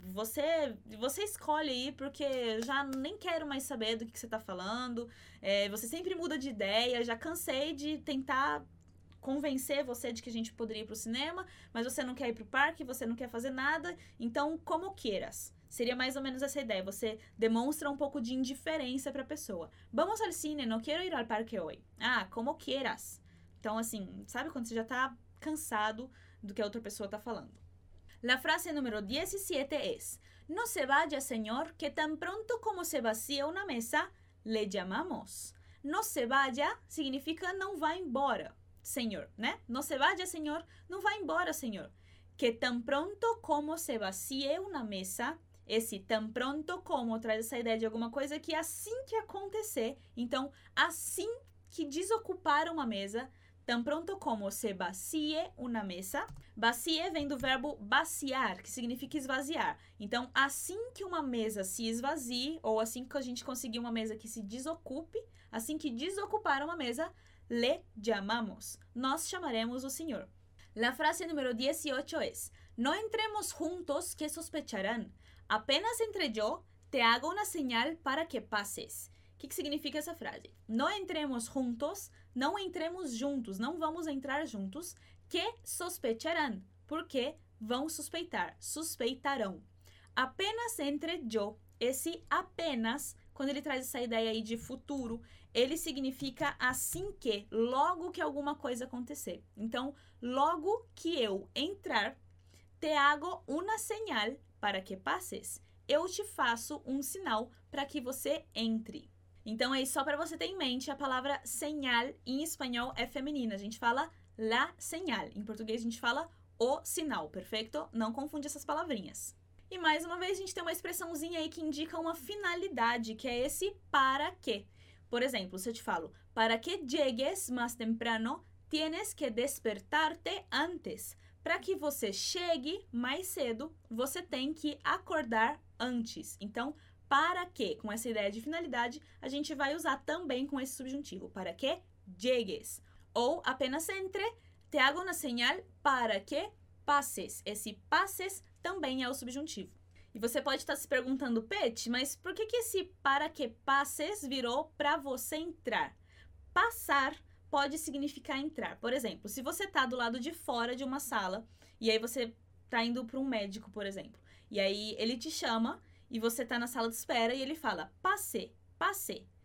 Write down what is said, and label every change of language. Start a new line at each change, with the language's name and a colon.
Portuguese: Você escolhe aí porque já nem quero mais saber do que você tá falando, você sempre muda de ideia, já cansei de tentar convencer você de que a gente poderia ir pro cinema, mas você não quer ir pro parque, você não quer fazer nada, então
Spanish: como quieras.
Portuguese: Seria mais ou menos essa ideia, você demonstra um pouco de indiferença para a pessoa.
Spanish: Vamos al cine, no quiero ir al parque hoy. Ah, como quieras.
Portuguese: Então, assim, sabe quando você já está cansado do que a outra pessoa está falando?
Spanish: La frase número 17 es: No se vaya, señor, que tan pronto como se vacía una mesa, le llamamos. No se vaya
Portuguese: significa não vá embora, senhor, né?
Spanish: No se vaya, señor,
Portuguese: não vá embora, senhor.
Spanish: Que tan pronto como se vacía una mesa,
Portuguese: esse
Spanish: tan pronto como traz essa ideia de alguma coisa que assim que acontecer, então assim que desocupar uma mesa, tan pronto como se vacíe una mesa,
Portuguese: vacíe vem do verbo vaciar, que significa esvaziar, então assim que uma mesa se esvazie, ou assim que a gente conseguir uma mesa que se desocupe, assim que desocupar uma mesa,
Spanish: le llamamos,
Portuguese: nós chamaremos o senhor.
Spanish: La frase número 18 es: No entremos juntos que sospecharán. Apenas entre yo, te hago una señal para que pases.
Portuguese: O que significa essa frase?
Spanish: No entremos juntos,
Portuguese: não entremos juntos, não vamos entrar juntos,
Spanish: que sospecharán,
Portuguese: porque vão suspeitar, suspeitarão.
Spanish: Apenas entre yo,
Portuguese: esse apenas quando ele traz essa ideia aí de futuro, ele significa assim que, logo que alguma coisa acontecer. Então, logo que eu entrar,
Spanish: te hago una señal para que pases.
Portuguese: Eu te faço um sinal para que você entre. Então, é só para você ter em mente, a palavra señal em espanhol é feminina. A gente fala
Spanish: la señal.
Portuguese: Em português, a gente fala o sinal, perfeito? Não confunde essas palavrinhas. E mais uma vez, a gente tem uma expressãozinha aí que indica uma finalidade, que é esse para que. Por exemplo, se eu te falo,
Spanish: para que llegues más temprano, tienes que despertarte antes.
Portuguese: Para que você chegue mais cedo, você tem que acordar antes. Então, para que, com essa ideia de finalidade, a gente vai usar também com esse subjuntivo.
Spanish: Para que llegues. Ou apenas entre, te hago una señal para que pases.
Portuguese: Esse pases também é o subjuntivo. E você pode estar se perguntando, Pet, mas por que que esse para que passes virou para você entrar? Passar pode significar entrar. Por exemplo, se você está do lado de fora de uma sala, e aí você está indo para um médico, por exemplo, e aí ele te chama, e você está na sala de espera, e ele fala, passe, passe.